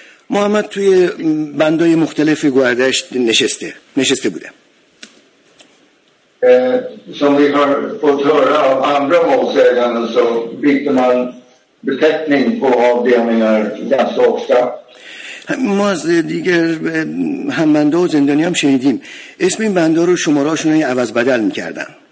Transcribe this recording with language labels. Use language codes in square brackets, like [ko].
[fa] محمد توی بندای مختلف گوهردشت نشسته بوده. [sv] Som vi har fått höra av andra målsägande så byter man beteckning på avdelningar ganska ofta. [fa] ما از دیگر همبنده و زندانی هم شنیدیم اسم این بنده رو شماره‌هاشون رو عوض بدل می‌کردن.